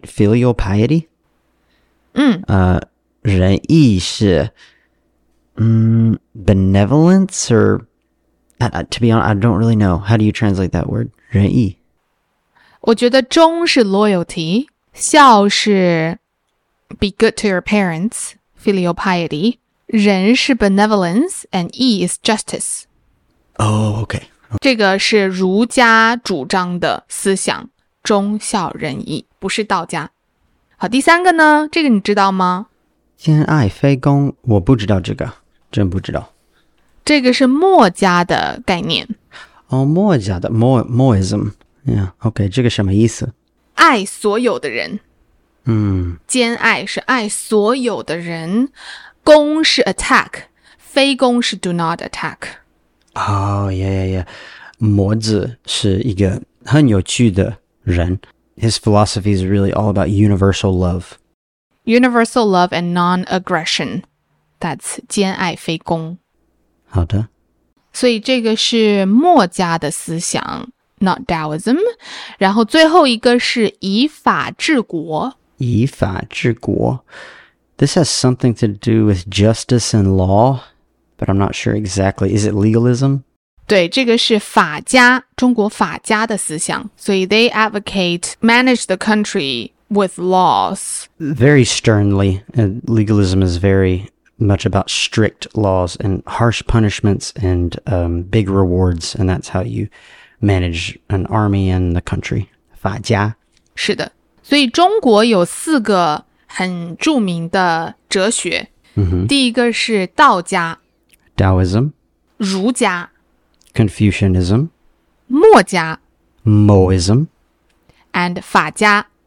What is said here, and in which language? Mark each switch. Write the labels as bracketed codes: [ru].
[en] Filial piety [zh] 仁义是 [en] benevolence or to be honest, I don't really know. How do you translate that word? 仁义 [zh] 我觉得忠是 [en] loyalty, [zh] 孝是 [en] be good to your parents, filial piety, [zh] 仁是 [en] benevolence, and 义 is justice. Oh, okay. [zh] 这个是儒家主张的思想忠孝仁义不是道家。好第三个呢这个你知道吗兼爱非攻我不知道这个真不知道。这个是墨家的概念。哦墨家的 Moism。 [en] Yeah, OK, [zh] 这个什么意思爱所有的人。嗯。兼爱是爱所有的人。攻是 attack, 非攻是 [en] do not attack。哦 yeah, yeah, yeah. [zh] 墨子是一个很有趣的人。 [en] His philosophy is really all about universal love. Universal love and non-aggression. That's 兼爱非攻。 [zh] 好的。所以这个是墨家的思想 [en] not Taoism. [zh] 然后最后一个是以法治国。以法治国。 [en] This has something to do with justice and law, but I'm not sure exactly. Is it legalism? [zh] 对这个是法家中国法家的思想所以 [en] they advocate manage the country with laws very sternly and legalism is very much about strict laws and harsh punishments and big rewards and that's how you manage an army and the country 法家 [zh] 是的所以中国有四个很著名的哲学 Mm-hmm. 第一个是道家 [en] Taoism [zh] 儒家 [en] Confucianism [zh] 墨家 [en] Moism And 法家